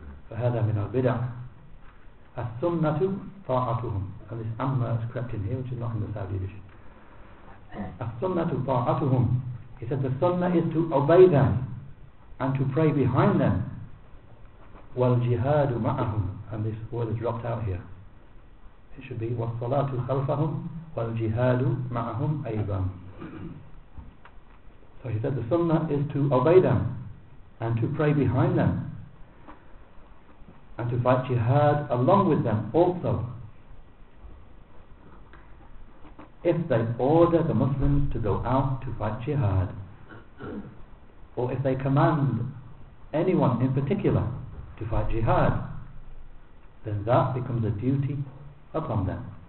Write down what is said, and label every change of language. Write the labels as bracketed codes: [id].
[ar] فَهَذَا مِنَ الْبِدَعَ السُنَّةُ طَاعَتُهُمْ. [en] And this amma is crept in here, which is not in the Saudi edition. [ar] السُنَّةُ طَاعَتُهُمْ. [en] He said the sunnah is to obey them and to pray behind them. [ar] وَالْجِهَادُ مَعَهُمْ. [en] And this word is dropped out here. It should be [ar] وَالصَّلَاةُ خَلْفَهُمْ وَالْجِهَادُ مَعَهُمْ أَيْضًا. [en] So he said the sunnah is to obey them and to pray behind them and to fight jihad along with them also, if they order the Muslims to go out to fight jihad, or if they command anyone in particular to fight jihad, then that becomes a duty upon them.